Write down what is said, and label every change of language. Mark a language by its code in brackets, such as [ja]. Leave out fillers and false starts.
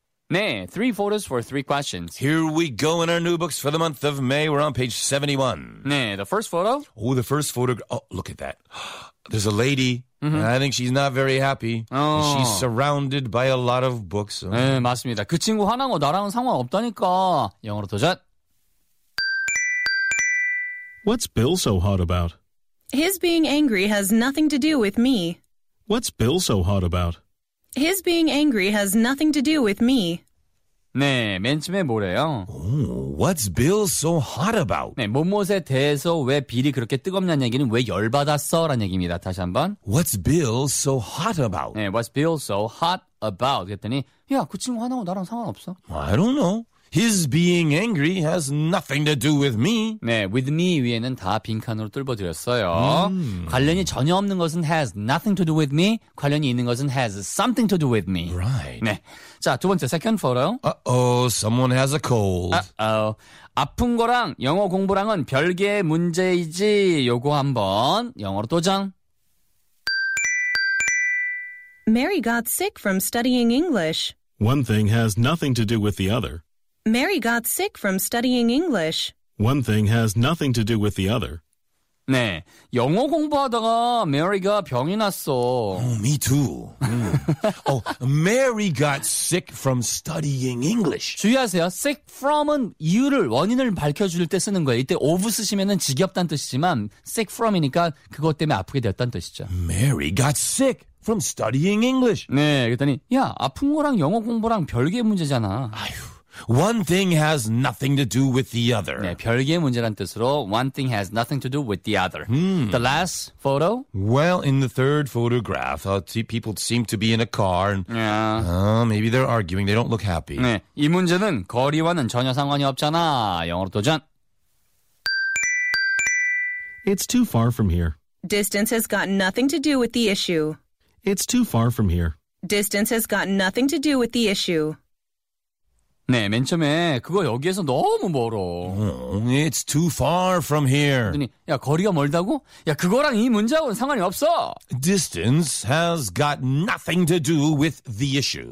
[en] Nay, three photos for three questions. Here we go in our new books for the month of May. We're on page 71. Nay, the first photo. Oh, the first photo. Oh, look at that. There's a lady. Mm-hmm. I think she's not very happy. Oh. She's surrounded by a lot of books. [ko] Okay. 네, 맞습니다. 그 친구 화난 거 나랑은 상관없다니까. 영어로 도전. [en] What's Bill so hot about? His being angry has nothing to do with me. What's Bill so hot about? His being angry has nothing to do with me. [ko] 네, 맨 처음에 뭐래요? [en] Oh, what's Bill so hot about? [ko] 네, 뭐뭐에 대해서 왜 빌이 그렇게 뜨겁냐는 얘기는 왜 열받았어? 라는 얘기입니다. 다시 한번. [en] What's Bill so hot about? [ko] 네, [en] what's Bill so hot about? [ko] 그랬더니, 야, 그 친구 화나고 나랑 상관없어. [en] I don't know. His being angry has nothing to do with me. [ko] 네, with me 위에는 다 빈칸으로 뚫어드렸어요. 관련이 전혀 없는 것은 [en] has nothing to do with me. [ko] 관련이 있는 것은 [en] has something to do with me. Right. [ko] 네, 자, 두 번째, second photo. [en] Uh-oh, someone has a cold. Uh-oh. [ko] 아픈 거랑 영어 공부랑은 별개의 문제이지. 요거 한번 영어로 도전. [en] Mary got sick from studying English. One thing has nothing to do with the other. Mary got sick from studying English. One thing has nothing to do with the other. [ko] 네, 영어 공부하다가 Mary가 병이 났어. [en] Oh, me too. Mm. Oh, Mary got sick from studying English. [ko] 주의하세요. Sick from은 이유를, 원인을 밝혀줄 때 쓰는 거예요. 이때 of 쓰시면 직역단 뜻이지만 sick from이니까 그것 때문에 아프게 되었다는 뜻이죠. [en] Mary got sick from studying English. [ko] 네, 그랬더니 야, 아픈 거랑 영어 공부랑 별개의 문제잖아. 아휴. [en] One thing has nothing to do with the other. [ko] 네, 별개의 문제란 뜻으로 [en] one thing has nothing to do with the other. The last photo? Well, in the third photograph, people seem to be in a car. And, yeah. Maybe they're arguing. They don't look happy. [ko] 네, 이 문제는 거리와는 전혀 상관이 없잖아. 영어로 도전. [en] It's too far from here. Distance has got nothing to do with the issue. It's too far from here. Distance has got nothing to do with the issue. [ko] 네, 맨 처음에 그거 여기에서 너무 멀어. [en] It's too far from here. [ko] 야, 거리가 멀다고? 야, 그거랑 이 문제하고는 상관이 없어. [en] Distance has got nothing to do with the issue.